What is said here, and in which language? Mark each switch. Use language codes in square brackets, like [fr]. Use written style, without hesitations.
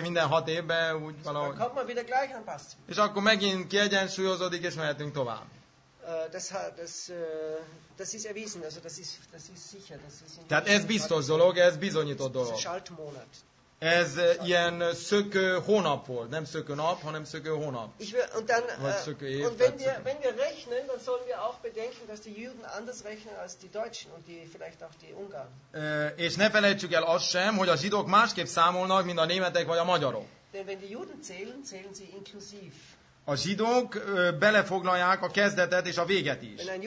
[hu] Minden 6 évben úgy valahogy. És akkor megint kiegyensúlyozódik, és mehetünk tovább. [de] Das ist erwiesen, also das ist sicher, das ist [hu] in. Tehát ez biztos dolog, ez bizonyított dolog. Ez ilyen szökő hónap volt, nem szökő nap, hanem szökő hónap. Vagy szökő év. [de] Und wenn wir rechnen, dann sollen wir auch bedenken, dass die Juden anders rechnen als die Deutschen und die vielleicht auch die Ungarn. [hu] És ne felejtsük el azt sem, hogy a zsidók másképp számolnak, mint a németek vagy a magyarok. [de] Denn wenn die Juden zählen, zählen sie inklusiv. [hu] A zsidók belefoglalják a kezdetet és a véget is.